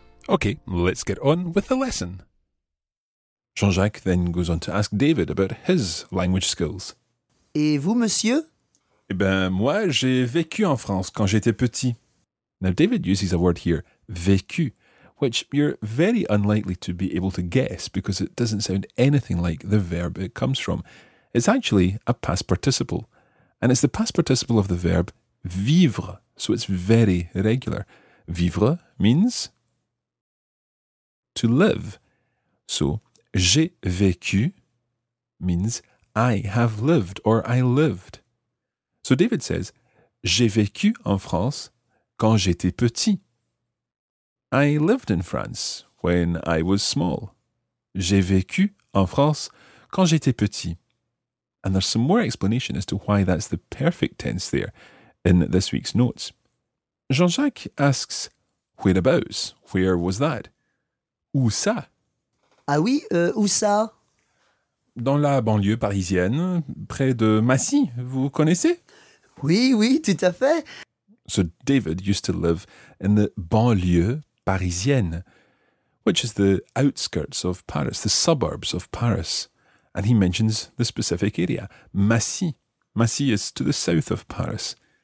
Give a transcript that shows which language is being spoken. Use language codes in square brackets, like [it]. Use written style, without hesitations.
[en] Okay, let's get on with the lesson. Jean-Jacques then goes on to ask David about his language skills. [fr] Et vous, monsieur? Eh ben, moi, j'ai vécu en France quand j'étais petit. [en] Now, David uses a word here, vécu, which you're very unlikely to be able to guess because it doesn't sound anything like the verb it comes from. It's actually a past participle, and it's the past participle of the verb vivre, so it's very regular. Vivre means to live. So, [fr] j'ai vécu [en] means I have lived or I lived. So David says, [fr] j'ai vécu en France quand j'étais petit. [en] I lived in France when I was small. [fr] J'ai vécu en France quand j'étais petit. [en] And there's some more explanation as to why that's the perfect tense there in this week's notes. Jean-Jacques asks, whereabouts? Where was that? [fr] Où ça? Ah oui, où ça? Dans la banlieue parisienne, près de Massy, vous connaissez? Oui, oui, tout à fait. [en] So David used to live in the banlieue parisienne, which is the outskirts of Paris, the suburbs of Paris. And he mentions the specific area, Massy. Massy is to the south of Paris.